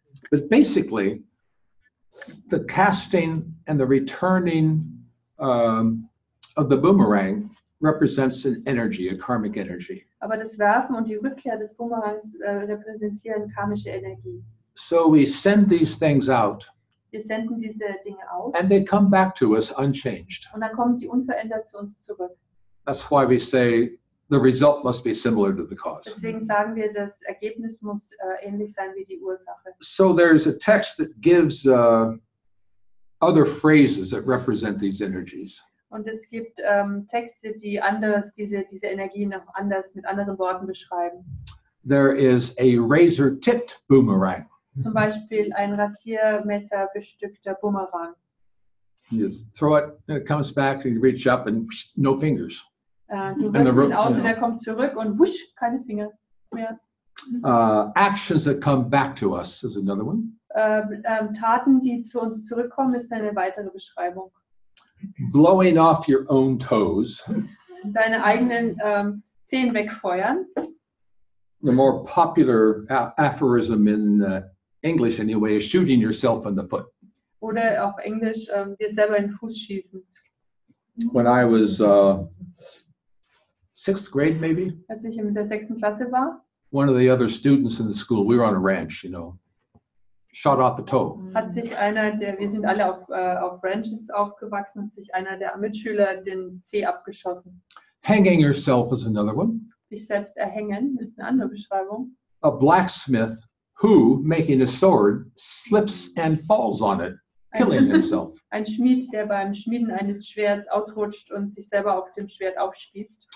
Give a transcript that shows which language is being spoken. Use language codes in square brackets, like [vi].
[en] But basically, the casting and the returning of the boomerang represents an energy, a karmic energy. [de] Aber das Werfen und die Rückkehr des Boomerangs repräsentieren karmische Energie. [en] So we send these things out. [de] Wir senden diese Dinge aus. [en] And they come back to us unchanged. [de] Und dann kommen sie unverändert zu uns zurück. [en] That's why we say the result must be similar to the cause. [de] Deswegen sagen wir, das Ergebnis muss ähnlich sein wie die Ursache. [en] So there's a text that gives other phrases that represent these energies. [de] Und es gibt Texte, die anders diese Energien noch anders mit anderen Worten beschreiben. [en] There is a razor-tipped boomerang. [de] Zum Beispiel ein Rasiermesser bestückter Boomerang. [en] You throw it, and it comes back, and you reach up, and no fingers. [de] Du wirst ihn aus, und er kommt zurück, und wusch, keine Finger mehr. [en] Actions that come back to us is another one. [de] Taten, die zu uns zurückkommen, ist eine weitere Beschreibung. [en] Blowing off your own toes. [de] Deine eigenen Zehen wegfeuern. [en] The more popular aphorism in English anyway is shooting yourself in the foot. [de] Oder auf Englisch dir selber in den Fuß schießen. [en] When I was sixth grade maybe. [de] Als ich in der sechsten Klasse war. [en] One of the other students in the school, we were on a ranch, you know. Shot off a toe. [de] Hat sich einer der, wir sind alle auf Ranches aufgewachsen, hat sich einer der Mitschüler den Zeh abgeschossen. [en] Hanging yourself is another one. [de] Sich selbst erhängen ist eine andere Beschreibung. [en] A blacksmith who, making a sword, slips and falls on it. killing himself. [de] Ein Schmied, der beim Schmieden eines Schwerts ausrutscht und sich selber auf dem Schwert aufspießt.